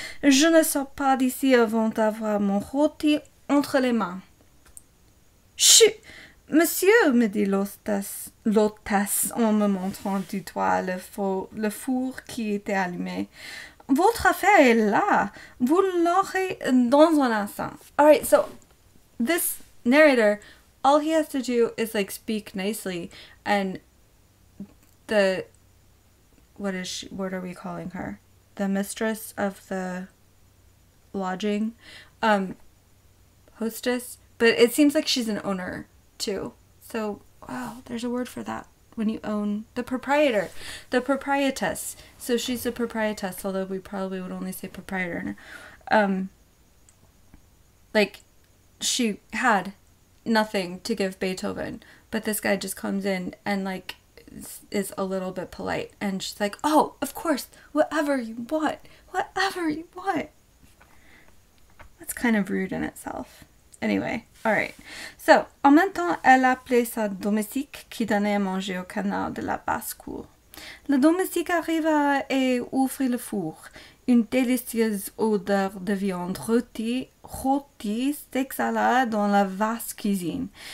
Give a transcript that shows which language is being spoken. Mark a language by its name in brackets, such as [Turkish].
[French] Je ne sors pas d'ici avant d'avoir mon rôti entre les mains. Chut, monsieur, me dit l'hôtesse en me montrant du doigt le four qui était allumé. Votre affaire est là. Vous l'aurez dans un instant. [English] All right, so this narrator, all he has to do is like speak nicely, and the what are we calling her? The mistress of the lodging, hostess. But it seems like she's an owner too. So wow, there's a word for that. When you own the proprietor, the proprietess. So she's a proprietess, although we probably would only say proprietor. Like, she had nothing to give Beethoven, but this guy just comes in and, like, is a little bit polite. And she's like, oh, of course, whatever you want, whatever you want. That's kind of rude in itself. Anyway, all right. [French] So, en même temps, elle appelait sa domestique qui donnait à manger au canard de la basse-cour. La domestique arriva et ouvrit le four. Une délicieuse odeur de viande rôtie s'exhala dans la vaste cuisine.